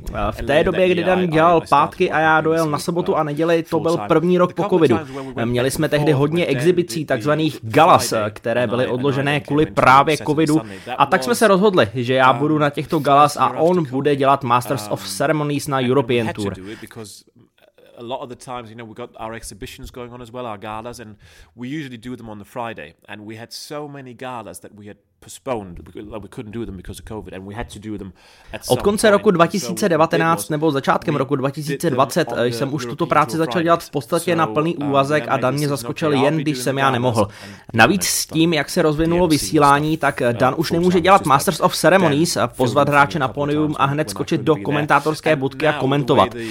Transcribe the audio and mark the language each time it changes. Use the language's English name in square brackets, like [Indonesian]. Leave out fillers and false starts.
[Czech] V té době, kdy Dan dělal pátky a já dojel na sobotu a neděli, to byl první rok po covidu. Měli jsme tehdy hodně exhibicí, takzvaných galas, které byly odložené kvůli právě covidu. A tak jsme se rozhodli, že já budu na těchto galas a on bude dělat Masters of Ceremonies na European Tour. [English] A lot of the times, you know, we got our exhibitions going on as well, our galas, and we usually do them on the Friday. And we had so many galas that we had postponed, we couldn't do them because of COVID, and we had to do them at some point. [Czech] Od konce roku 2019 nebo začátkem roku 2020 jsem už tuto práci začal dělat v podstatě na plný úvazek a Dan mě zaskočil jen, když jsem já nemohl. Navíc s tím, jak se rozvinulo vysílání, tak Dan už nemůže dělat Masters of Ceremonies, pozvat hráče na pódium a hned skočit do komentátorské budky a komentovat.